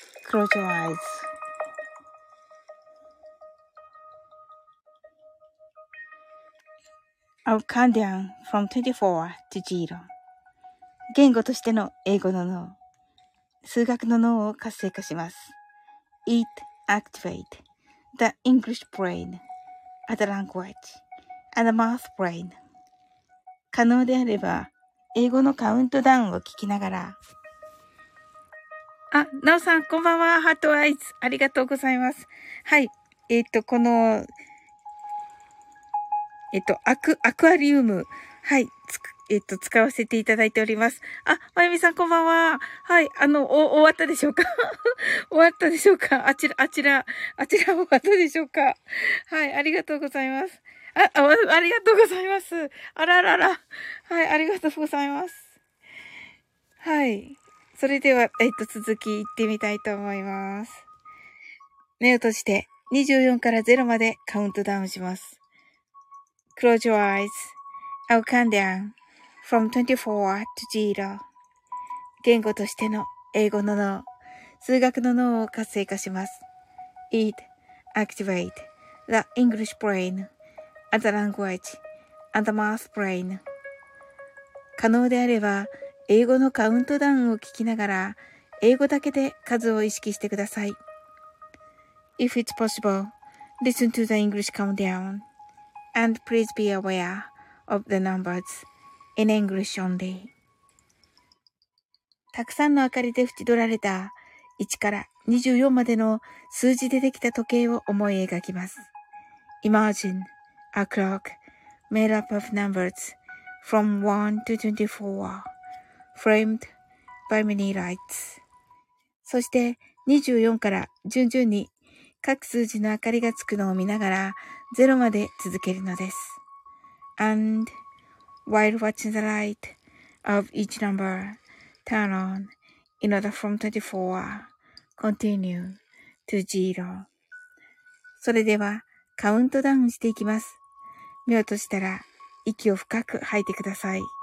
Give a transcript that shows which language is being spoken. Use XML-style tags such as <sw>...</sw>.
<en>Close your eyes. I'll count down from 24 to 0.</en> <ja>言語としての英語の脳、数学の脳を活性化します。</ja> <en>It activates the English brain and the language and the math brain.</en> <ja>可能であれば、英語のカウントダウンを聞きながら。あ、なおさん、こんばんは。ハートアイズ。ありがとうございます。はい。この、アクアリウム。はい。使わせていただいております。あ、まゆみさん、こんばんは。はい。終わったでしょうか終わったでしょうかあちら終わったでしょうかはい。ありがとうございます。ありがとうございます。あららら。はい。ありがとうございます。はい。それでは、続き行ってみたいと思います。目を閉じて、24から0までカウントダウンします。</ja> <en>Close your eyes. I'll count down from 24 to 0.</en> <ja>言語としての英語の脳、数学の脳を活性化します。</ja> <en>It activates the English brain and the language and the math brain.</en> <ja>可能であれば、英語のカウントダウンを聞きながら、英語だけで数を意識してください。</ja> <en>If it's possible, listen to the English countdown. And please be aware of the numbers in English only.</en> <ja>たくさんの明かりで縁取られた1から24までの数字でできた時計を思い描きます。</ja> <en>Imagine a clock made up of numbers from 1 to 24 framed by many lights.</en> <ja>そして24から順々に各数字の明かりがつくのを見ながら、ゼロまで続けるのです。</ja> <en>And while watching the light of each number turn on in order from 24, continue to zero.</en> <ja>それでは、カウントダウンしていきます。目を閉じたら、息を深く吐いてください。</ja>